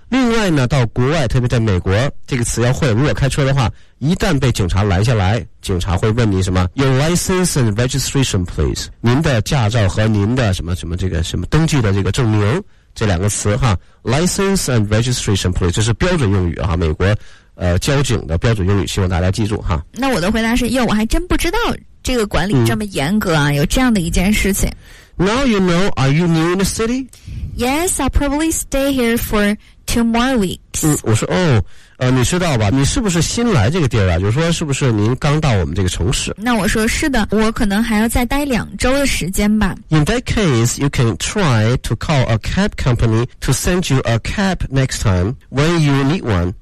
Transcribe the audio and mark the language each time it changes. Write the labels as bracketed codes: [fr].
[zh] 另外呢到国外特别在美国这个词要会，如果开车的话一旦被警察拦下来，警察会问你什么 [en] Your license and registration please， [zh] 您的驾照和您的什么什么这个什么登记的这个证明，这两个词哈 [en] License and registration please， [zh] 这是标准用语哈，美国交警的标准用语，希望大家记住哈。那我的回答是哟，我还真不知道这个管理这么严格啊、嗯、有这样的一件事情。 [en] Now you know, are you new in the city? Yes, I'll probably stay here for 2 more weeks、 [zh] 嗯、我说哦你知道吧，你是不是新来这个地儿啊，就是说是不是您刚到我们这个城市。那我说是的，我可能还要再待2周的时间吧。 [en] In that case, you can try to call a cab company to send you a cab next time when you need one.